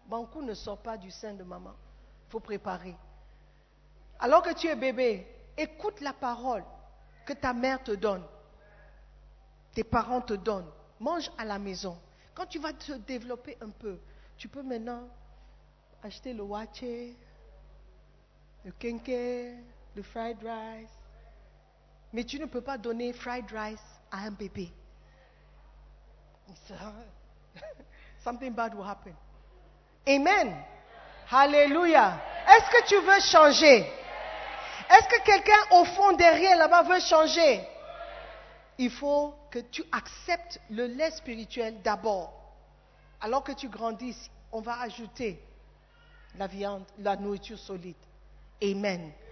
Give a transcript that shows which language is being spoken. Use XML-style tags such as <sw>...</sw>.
<fr>Bankou ne sort pas du sein de maman. Il faut préparer. Alors que tu es bébé, écoute la parole que ta mère te donne, tes parents te donnent. Mange à la maison. Quand tu vas te développer un peu, tu peux maintenant acheter le waché, le kenke, le fried rice. Mais tu ne peux pas donner</fr> <en>fried rice</en> <fr>à un bébé.</fr> <en>So, something bad will happen. Amen. Hallelujah.</en> <fr>Est-ce que tu veux changer? Est-ce que quelqu'un au fond, derrière, là-bas, veut changer? Il faut que tu acceptes le lait spirituel d'abord. Alors que tu grandisses, on va ajouter la viande, la nourriture solide. Amen.</fr>